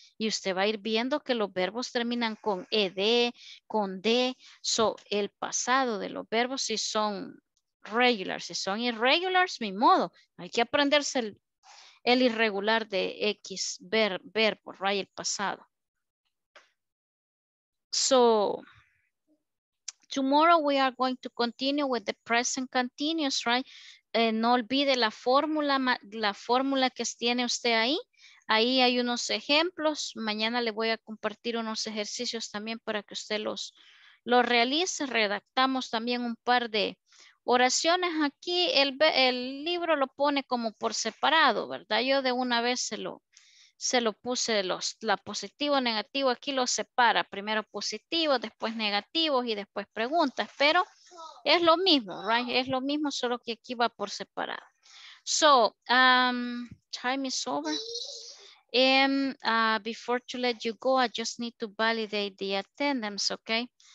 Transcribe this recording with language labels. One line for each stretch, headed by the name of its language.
Spanish: Y usted va a ir viendo que los verbos terminan con ed, con d,
English: so,
Spanish: el pasado de los verbos, si son regular, si son irregulars, mi modo, hay que aprenderse el irregular de X verbo,
English: right,
Spanish: el pasado.
English: So, tomorrow we are going to continue with the present continuous, right?
Spanish: No olvide la fórmula que tiene usted ahí. Ahí hay unos ejemplos. Mañana le voy a compartir unos ejercicios también para que usted los realice. Redactamos también un par de oraciones. Aquí el libro lo pone como por separado, ¿verdad? Yo de una vez se lo puse la positivo, negativo. Aquí lo separa. Primero positivo, después negativo y después preguntas. Pero es lo mismo,
English: right?
Spanish: Es lo mismo, solo que aquí va por separado.
English: So, time is over. And before to let you go, I just need to validate the attendance, okay?